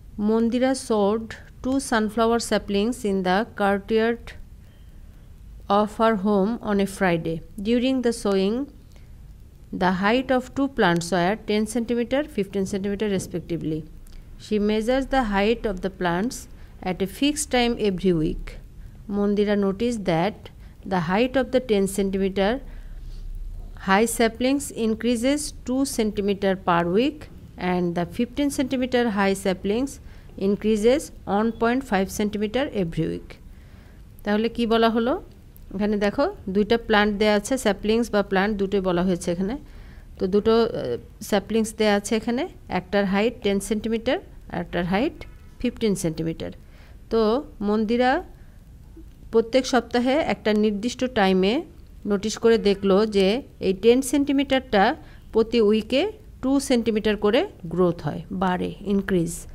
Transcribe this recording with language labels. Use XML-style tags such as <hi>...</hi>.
<en>Mondira sowed two sunflower saplings in the courtyard of our home on a Friday during the sowing The height of two plants were 10 cm, 15 cm respectively. She measures the height of the plants at a fixed time every week. Mondira noticed that the height of the 10 cm high saplings increases 2 cm per week and the 15 cm high saplings increases 1.5 cm every week.</en> <bn>তাহলে কি বলা হলো? এখানে দেখো দুইটা plant দেওয়া আছে, saplings বা প্ল্যান্ট দুটোই বলা হয়েছে এখানে। তো দুটো স্যাপলিংস দেওয়া আছে এখানে, একটার হাইট 10 সেন্টিমিটার আর একটার হাইট 15 সেন্টিমিটার। তো মন্দিরা প্রত্যেক সপ্তাহে একটা নির্দিষ্ট টাইমে নোটিস করে দেখলো যে এই 10 সেন্টিমিটারটা প্রতি উইকে 2 সেন্টিমিটার করে গ্রোথ হয়, বাড়ে, ইনক্রিজ।</bn>